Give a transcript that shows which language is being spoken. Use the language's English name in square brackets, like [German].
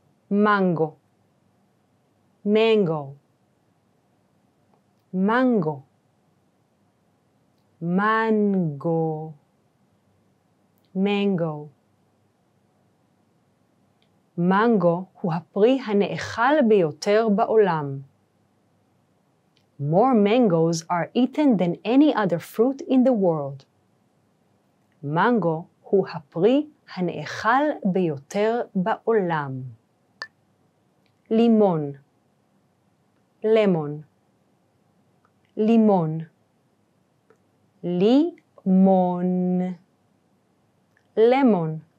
[Hebrew] מנגו. מנגו. מנגו. מנגו. מנגו. מנגו הוא הפרי הנאכל ביותר בעולם. [English] More mangoes are eaten than any other fruit in the world. [Hebrew] מנגו הוא הפרי הנאכל ביותר בעולם. לימון. לימון. לימון. לימון. לימון.